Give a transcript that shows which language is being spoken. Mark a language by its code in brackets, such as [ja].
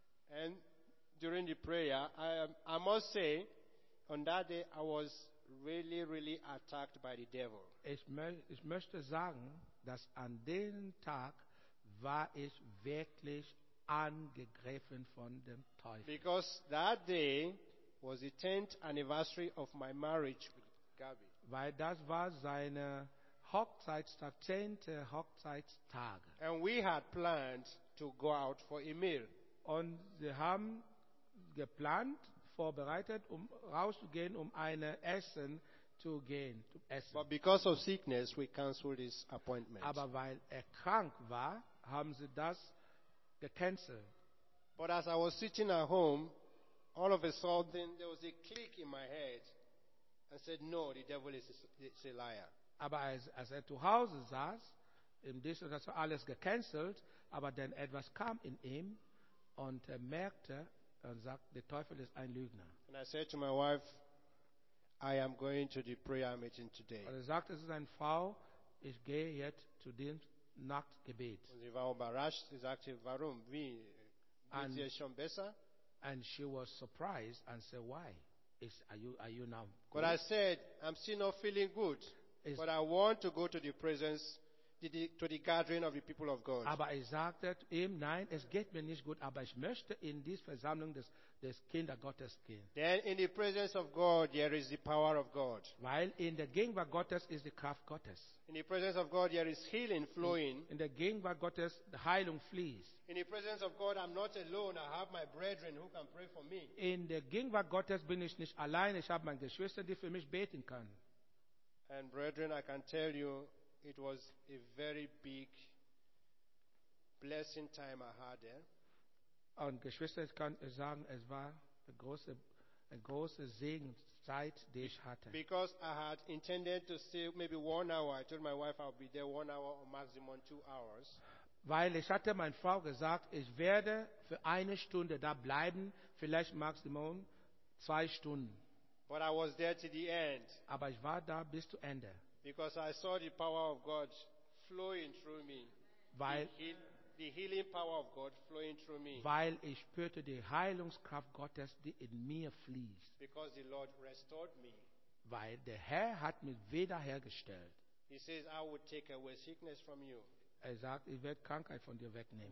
[en] and during the prayer, I must say, on that day, I was really, really attacked by the devil. [de] Ich möchte sagen, dass an dem Tag war ich wirklich angegriffen von dem Teufel. [en] Because that day was the 10th anniversary of my marriage with Gabi. [de] Weil das war seine Hochzeitstag, 10. Hochzeitstag. [en] And we had planned to go out for a meal. [de] Und sie haben geplant, vorbereitet, um rauszugehen, um eine Essen zu gehen, zu essen. [en] But because of sickness, we canceled this appointment. [de] Aber weil krank war, haben sie das gecancelt. [en] But as I was sitting at home, all of a sudden there was a click in my head and said, no, the devil is a liar. [de] Aber als er zu Hause saß, im Dienst, das war alles gecancelt, aber dann etwas kam in ihm und er merkte und sagt, der Teufel ist ein Lügner. [en] And I said to my wife, I am going to the prayer meeting today. [de] Und er sagte zu seiner Frau, ich gehe jetzt zu dem Nachtgebet. Und sie war überrascht. Sie sagte, warum? Wie? Geht es schon besser? [en] And she was surprised and said, why? Are you now? But I said, I'm still not feeling good. But I want to go to the presence, to the gathering of the people of God. [de] Aber ich sagte ihm, nein, es geht mir nicht gut, aber ich möchte in diese Versammlung des Kinder Gottes gehen. [en] Then in the presence of God, there is the power of God. [de] Weil in der Gegenwart Gottes ist die Kraft Gottes. [en] In the presence of God, there is healing flowing. [de] In der Gegenwart Gottes, die Heilung fließt. [en] In the presence of God, I'm not alone. I have my brethren who can pray for me. [de] In der Gegenwart Gottes bin ich nicht allein. Ich habe meine Geschwister, die für mich beten können. [en] And brethren, I can tell you, it was a very big blessing time I had there. [de] Und Geschwister, ich kann sagen, es war eine große Segenszeit, die ich hatte. [en] Because I had intended to stay maybe 1 hour. I told my wife I'll be there 1 hour or maximum 2 hours. [de] Weil ich hatte meiner Frau gesagt, ich werde für eine Stunde da bleiben, vielleicht maximum 2 Stunden. [en] But I was there to the end. [de] Aber ich war da bis zu Ende. [en] Because I saw the power of God flowing through me. [de] Weil [en] the healing power of God flowing through me. [de] Weil ich spürte die Heilungskraft Gottes, die in mir fließt. [en] Because the Lord restored me. [de] Weil der Herr hat mich wiederhergestellt. [en] He says, I will take away sickness from you. [de] Er sagt, ich werde Krankheit von dir wegnehmen.